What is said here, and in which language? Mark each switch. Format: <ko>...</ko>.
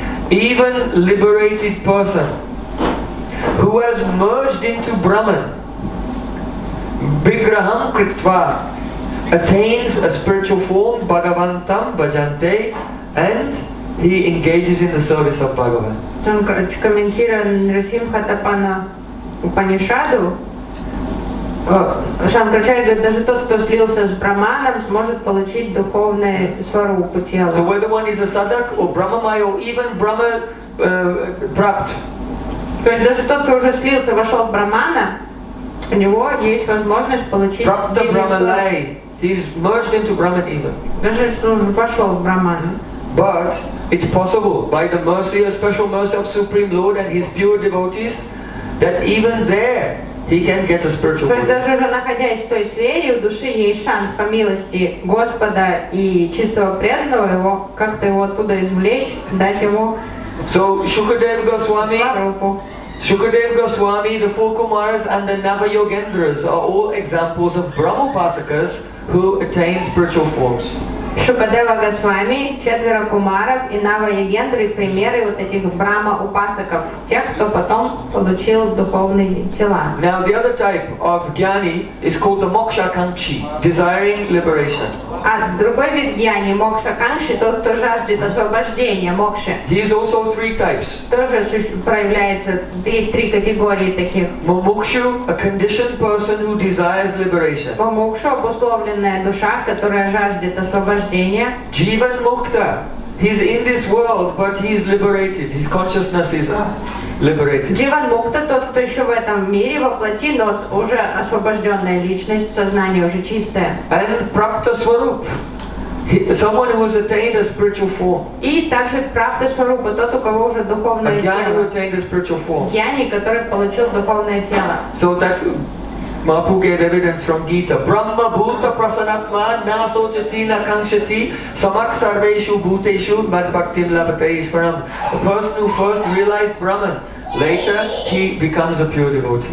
<en>Even liberated person who has merged into Brahman,</en> <sa>vigraham kritva,</sa> <en>attains a spiritual form, Bhagavantam, Bhajante, and he engages in the service of Bhagavan.</en> <ru>Он комментирует Нарасимха Тапана Упанишаду. Шанкарачарья говорит, даже тот, кто слился с Брахманом, сможет получить духовное сварупу тела.</ru> <en>So whether one is a sadhak or Brahmamai or even Brahma prapt.</en> <ru>То есть даже тот, кто уже слился, вошел в Брахмана, у него есть возможность получить</ru> <en>Prapta Brahmalai. He's merged into Brahman even.</en> <ru>Даже что он вошел в Брахман.</ru> <en>But it's possible by the mercy, a special mercy of Supreme Lord and His pure devotees, that even there he can get a spiritual.</en> <ru>То есть даже уже находясь в той сфере, у души есть шанс по милости Господа и чистого преданного его как-то его оттуда извлечь, дать ему.</ru> <en>So Shukadev Goswami. Shukadev Goswami, the four Kumaras and the Navayogendras are all examples of Brahmopasakas who attain spiritual forms.</en> <ru>Shukadeva Goswami, четверо Кумаров и Navayogendры примеры вот этих Брахмаупасаков, тех, кто потом получил духовные тела.</ru> <en>Now the other type of Gyani is called the Mokshakanshi, desiring liberation.</en> <ru>А другой вид Гьяни, Мокшакангши, тот, кто жаждет освобождения, Мокши.</ru> <en>He is also three types.</en> <ru>Тоже проявляется, есть три категории таких.</ru> <en>Мокшу, a conditioned person who desires liberation.</en> <ru>Мокшу, обусловленная душа, которая жаждет освобождения.</ru> <en>Jivan Mukta, he's in this world, but he's liberated, his consciousness is liberated.</en> <ru>Jivan Mukta, тот, кто еще в этом мире воплоти, но уже освобожденная личность, сознание уже чистое.</ru> <en>And Prapta Swarup, someone who has attained a spiritual form.</en> <ru>И также Prapta Swarup, тот, у кого уже духовное тело.</ru> <en>A Gyani who attained a spiritual form.</en> <ru>Gyani, который получил духовное тело.</ru> <en>So that Mahaprabhu gave evidence from Gita.</en> <sa>Brahma Bhuta Prasanatma Nasochati Nakanshati Samak Sarveshu Bhuteshu Mad Bhakti Labhate Ishvaram.</sa> <en>A person who first realized Brahman, later he becomes a pure devotee.</en>